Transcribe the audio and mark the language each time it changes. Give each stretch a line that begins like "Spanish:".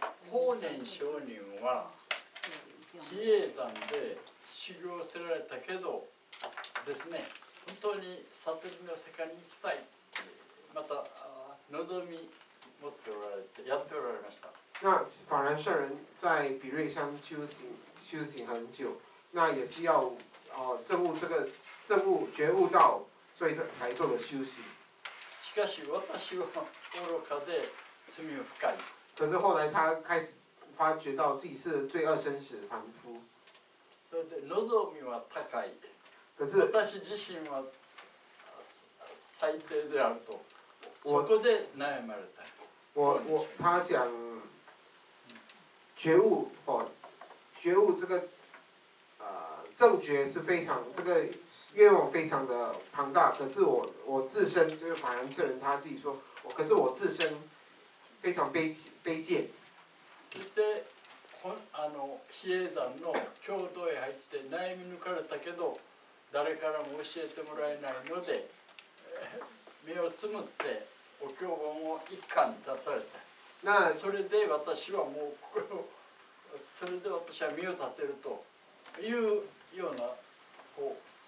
Japanese: 法然上人は比叡山で修行せられたけどですね、本当に悟りの世界に行きたい、また望み持っておられて、やっておられました。
Chinese: 那法然上人在比瑞山修行很久，那也是要证悟这个证悟觉悟道，所以才做的修行。
Japanese: しかし私は愚かで罪深い。
Chinese: 可是后来他开始发觉到自己是罪恶生死凡夫。
Japanese: それで望みは高い。
Chinese: 可是
Japanese: 私自身は最低であると、そこで悩まれた。
Chinese: 我他想觉悟哦，觉悟这个正觉是非常，这个愿望非常的庞大。可是我自身就是法然智人他自己说，可是我自身非常卑贱。
Japanese: そしてこのあの比叡山の教導へ入って悩み抜かれたけど、誰からも教えてもらえないので目をつむってお経本を一巻出された。
Chinese: 那
Japanese: それで私はもうそれで私は身を立てるというようなこう。